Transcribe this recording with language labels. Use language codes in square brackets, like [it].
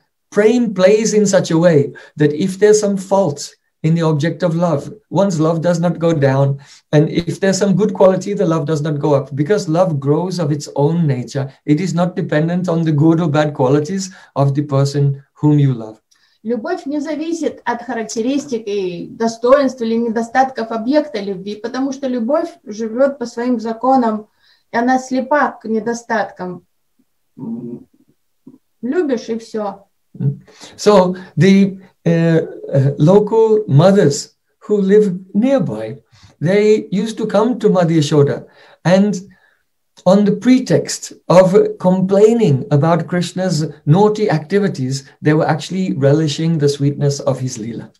[en] Prem plays in such a way that if there's some fault in the object of love, one's love does not go down. And if there's some good quality, the love does not go up. Because love grows of its own nature. It is not dependent on the good or bad qualities of the person whom you love. [ru] Любовь не зависит от характеристик и достоинств или недостатков объекта любви, потому что любовь живет по своим законам, и она слепа к недостаткам. Любишь, и все. [en] So, the local mothers who live nearby, they used to come to Madhya Yashoda, and on the pretext of complaining about Krishna's naughty activities, they were actually relishing the sweetness of his lila.